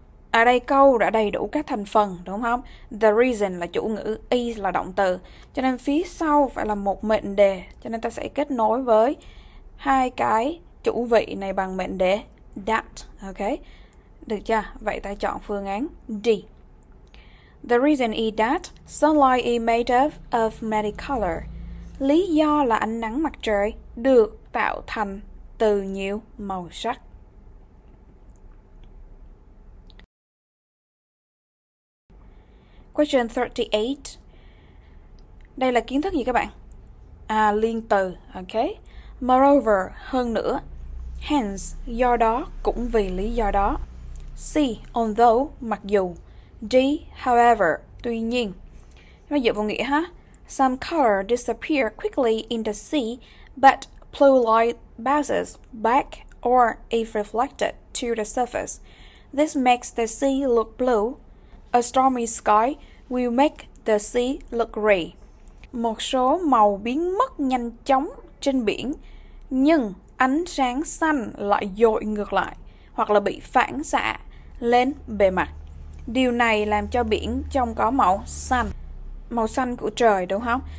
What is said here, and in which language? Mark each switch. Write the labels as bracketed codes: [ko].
[vi] Ở đây câu đã đầy đủ các thành phần, đúng không? The reason là chủ ngữ, is là động từ. Cho nên phía sau phải là một mệnh đề. Cho nên ta sẽ kết nối với hai cái chủ vị này bằng mệnh đề that. Okay? Được chưa? Vậy ta chọn phương án D. [en] The reason is that sunlight is made up of many colors. [vi] Lý do là ánh nắng mặt trời được tạo thành từ nhiều màu sắc. [en] Question 38. [vi] Đây là kiến thức gì các bạn? Liên từ. Okay. Moreover, hơn nữa. Hence, do đó, cũng vì lý do đó. C. Although, mặc dù. D. However, tuy nhiên. Nó dựa vào nghĩa ha. [en] Some color disappear quickly in the sea, but blue light bounces back or is reflected to the surface. This makes the sea look blue. A stormy sky will make the sea look gray. [vi] Một số màu biến mất nhanh chóng trên biển, nhưng ánh sáng xanh lại dội ngược lại hoặc là bị phản xạ lên bề mặt. Điều này làm cho biển trông có màu xanh của trời, đúng không?